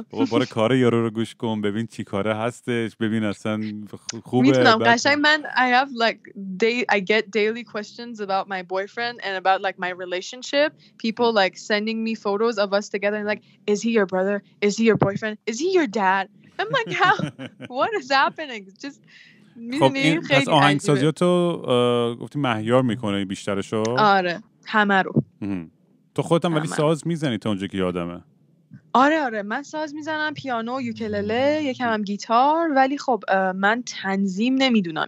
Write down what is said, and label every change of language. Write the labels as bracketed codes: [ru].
[fa] بار کار یارو رو گوش کن ببین چی کاره هستش، ببین اصلا خوبه. میتونم قشنگ من [en] I have like I get daily questions about my boyfriend and about like my relationship. People like sending me photos of us together and like, is he your brother? Is he your boyfriend? Is he your dad? I'm like, how? What is happening? Just [fa] خب این پس آهنگسازیاتو گفتی مهیار میکنه بیشترشو؟ آره همه رو. تو خودت هم ولی ساز میزنی تا اونجا که یادمه؟ آره آره من ساز میزنم، پیانو، یوکللله، یکم هم گیتار، ولی خب من تنظیم نمیدونم.